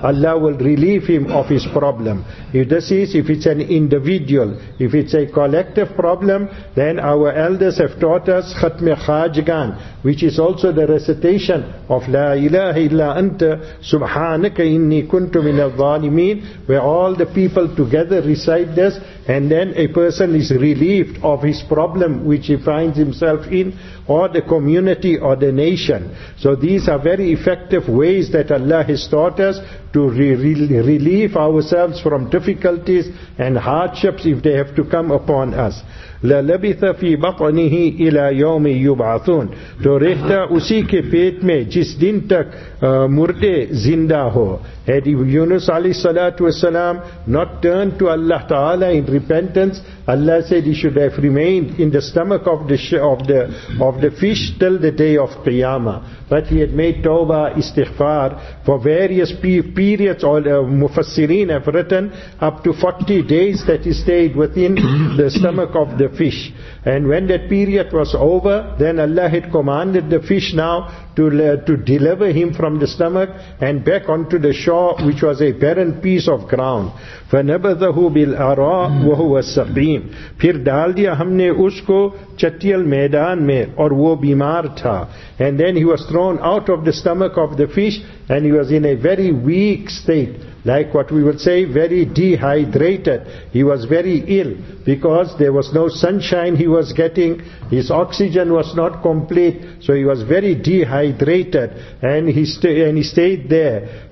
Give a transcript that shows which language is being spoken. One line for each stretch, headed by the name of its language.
English: Allah will relieve him of his problem. If this is, if it's an individual, if it's a collective problem, then our elders have taught us Khatme Khajgan, which is also the recitation of La ilaha illa anta subhanaka inni kuntu min al-zalimeen, where all the people together recite this, and then a person is relieved of his problem which he finds himself in, or the community or the nation. So these are very effective ways that Allah has taught us to relieve ourselves from difficulties and hardships if they have to come upon us.
Arabic: لَلَبِثَ فِي بَطْنِهِ إِلَى يَوْمِ يُبْعَثُونَ
Urdu: تو رہتا اسی کے پیٹ میں جس دن تک مردے زندہ ہو.
English: Had Yunus alayhi salatu wasalam not turned to Allah Ta'ala in repentance, Allah said he should have remained in the stomach of the fish till the day of Qiyamah. But he had made tawbah, istighfar, for various periods. All the mufassirin have written up to 40 days that he stayed within the stomach of the fish. And when that period was over, then Allah had commanded the fish now to deliver him from the stomach and back onto the shore, which was a barren piece of ground.
Arabic: فَنَبَذَهُ بِالْعَرَىٰ وَهُوَ السَّقِيمِ
Urdu: پھر ڈال دیا ہم نے اس کو چٹیل میدان میں اور وہ بیمار تھا.
English: And then he was thrown out of the stomach of the fish and he was in a very weak state. Like what we would say, very dehydrated. He was very ill because there was no sunshine he was getting. His oxygen was not complete. So he was very dehydrated and he stayed there.